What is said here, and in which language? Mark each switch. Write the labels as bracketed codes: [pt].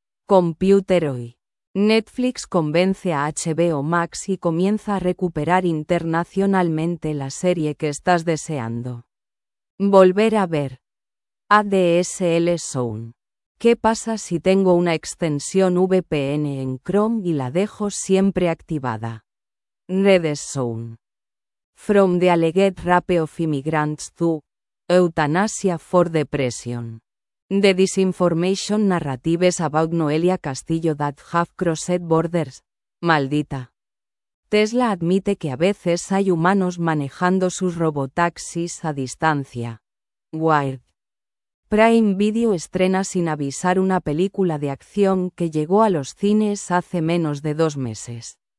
[es] Computer hoy. Netflix convence a HBO Max y comienza a recuperar internacionalmente la serie que estás deseando volver a ver. ADSL Zone. ¿Qué pasa si tengo una extensión VPN en Chrome y la dejo siempre activada? Redes Zone. [en] From the alleged rape of immigrants to euthanasia for depression. The disinformation narratives about Noelia Castillo that have crossed borders. [es] Maldita. Tesla admite que a veces hay humanos manejando sus robotaxis a distancia. Wired. Prime Video estrena sin avisar una película de acción que llegó a los cines hace menos de 2 meses.